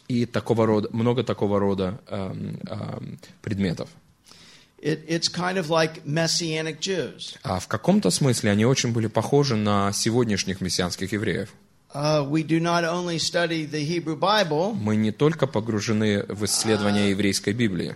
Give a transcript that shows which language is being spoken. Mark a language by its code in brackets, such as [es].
[ru] И такого рода, много такого рода предметов. [en] It's kind of like messianic Jews. [ru] А в каком-то смысле они очень были похожи на сегодняшних мессианских евреев. [en] We do not only study the Hebrew Bible. [ru] Мы не только погружены в исследование еврейской Библии.